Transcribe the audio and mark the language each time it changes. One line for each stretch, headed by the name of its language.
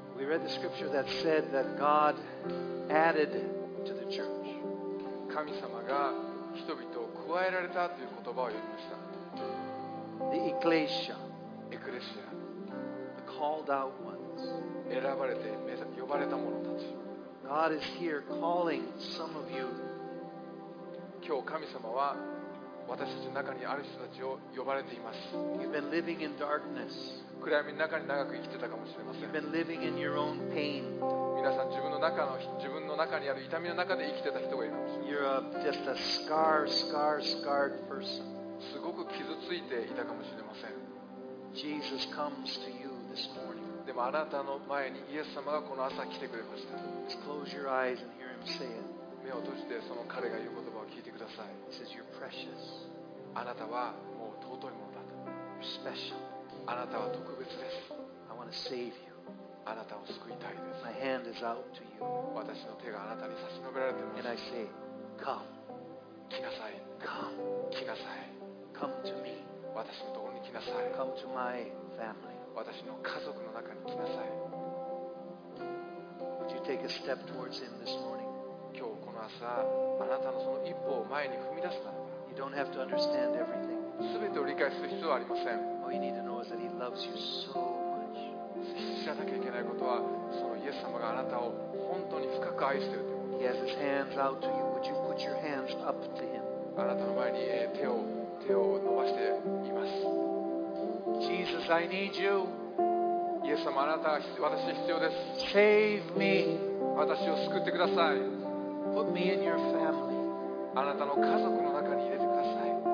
English: read the scripture that said that God added to the church.
Japanese: 神様が人々を加えられたという言葉を言いました。
English: The ecclesia, ecclesia, the called out ones,
Japanese: 選ばれて呼ばれた者たち。
English: God is here calling some of you.
Japanese: 今日神様は私たちの中にある人たちを呼ばれています。
English: You've been living in darkness.
Japanese: 暗闇の中に長く生きてたかもしれません。
English: You've been living in your own pain.
Japanese: 皆さん自分の中にある痛みの中で生きてた人がいるかもしれません。
English: You're just a scar, scar, scarred person.
Japanese: すごく傷ついていたかもしれません。
English: Jesus comes to you this morning.
Japanese: でもあなたの前にイエス様がこの朝来てくれました。
English: Just close your eyes and hear him say it.
Japanese: 目を閉じてその彼が言う言葉を聞いてください。
English: He says, You're precious.
Japanese: あなたはもう尊いものだと。
English: You're special.
Japanese: あなたは特別です。
English: I want to save you.
Japanese: あなたを救いたいです。
English: My hand is out to you.
Japanese: 私の手があなたに差し伸べられています。
English: And I say, come.
Japanese: 来なさい。
English: Come.
Japanese: 来なさい。
English: Come to me.
Japanese: 私のところに来なさい。
English: Come to my family.
Japanese: 私の家族の中に来なさい。
English: Would you take a step towards him this morning?
Japanese: 今日この朝、あなたのその一歩を前に踏み出すならば。
English: You don't have to understand everything.
Japanese: 全てを理解する必要はありません。
English: All you need to know is that he loves you so much.
Japanese: 知らなきゃいけないことは、そのイエス様があなたを本当に深く愛しているということ。
English: He has his hands out to you. Would you put your hands up to him?
Japanese: あなたの前に手を伸ばしています。
English: Jesus, I need you.
Japanese: イエス様、あなたは私に必要です。
English: Save me.
Japanese: 私を救ってください。
English: Put me in your family.
Japanese: あなたの家族の中に入れてください。